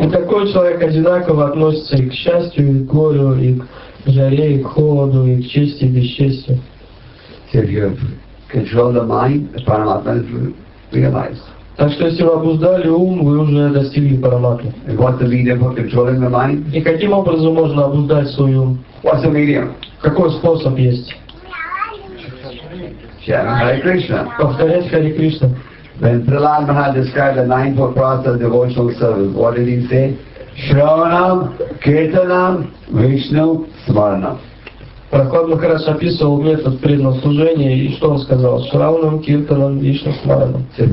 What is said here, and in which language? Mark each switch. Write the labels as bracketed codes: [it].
[ru] И такой человек одинаково относится и к счастью, и к горю, и к жаре, и к холоду, и к чести, и к бесчестью. [en] So if you control the mind, the paramatma is realized. [ru] Так что если вы обуздали ум, вы уже достигли параматмы. [en] And what's the medium for controlling the mind? [ru] И каким образом можно обуздать свой ум? [en] What's the medium? [ru] Какой способ есть? [en] Chanting Hare Krishna. [ru] Повторять Хари Кришна. [en] When Prahlad Maharaj described the ninefold process of devotional service, what did he say? [sa] Shravanam, Kirtanam, Vishnu, Smaranam. [ru] Прохлад Махарадж описывал метод преданного служения, и что он сказал? [sa] Шравнам, Киртанам, Вишна, Смаранам.